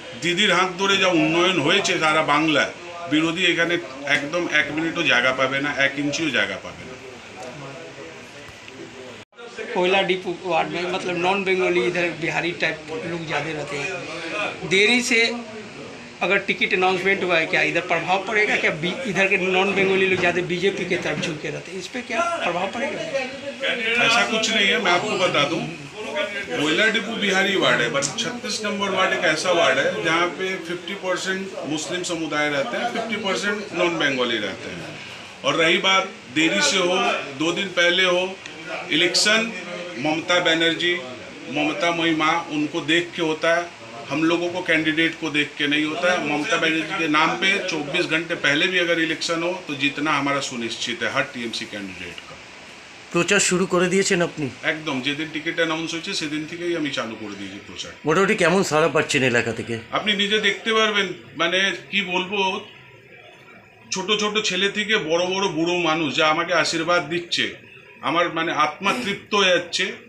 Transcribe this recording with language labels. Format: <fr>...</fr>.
<bn>দিদির হাত ধরে যা উন্নয়ন হয়েছে সারা বাংলা, বিরোধী এখানে একদম 1 মিনিটও জায়গা পাবে না, 1 ইঞ্চিও জায়গা পাবে না।</bn> <hi>কয়লা ডিপো ওয়ার্ড মে মতলব নন বেঙ্গলি ইধর বিহারি টাইপ লোক যাদের আতে দেরি সে अगर टिकट अनाउंसमेंट हुआ है क्या इधर प्रभाव पड़ेगा क्या? इधर के नॉन बंगाली लोग ज़्यादा बीजेपी के तरफ झुक के रहते हैं, इस पर क्या प्रभाव पड़ेगा? ऐसा कुछ नहीं है, मैं आपको बता दूं, कोयला डिपो बिहारी वार्ड है, बट 36 नंबर वार्ड एक ऐसा वार्ड है जहाँ पे 50% मुस्लिम समुदाय रहते हैं, 50% नॉन बंगाली रहते हैं। और रही बात देरी से हो, 2 दिन पहले हो, इलेक्शन ममता बनर्जी ममता महिमा उनको देख के होता है, हम लोगों को कैंडिडेट को देख के नहीं होता है। ममता बनर्जी के नाम पे 24 घंटे पहले भी अगर इलेक्शन हो तो जीतना हमारा सुनिश्चित है हर टीएमसी कैंडिडेट का।</hi> <bn>প্রচার শুরু করে দিয়েছেন আপনি? একদম, যেদিন টিকিট অ্যানাউন্স হয়েছে সেদিন থেকেই আমি চালু করে দিয়েছি প্রচার। মোটামুটি কেমন সাড়া পাচ্ছেন এলাকা থেকে? আপনি নিজে দেখতে পারবেন, মানে কি বলবো, ছোট ছোট ছেলে থেকে বড় বড় বুড়ো মানুষ যা আমাকে আশীর্বাদ দিচ্ছে, আমার মানে আত্মা তৃপ্ত হয়ে যাচ্ছে।</bn>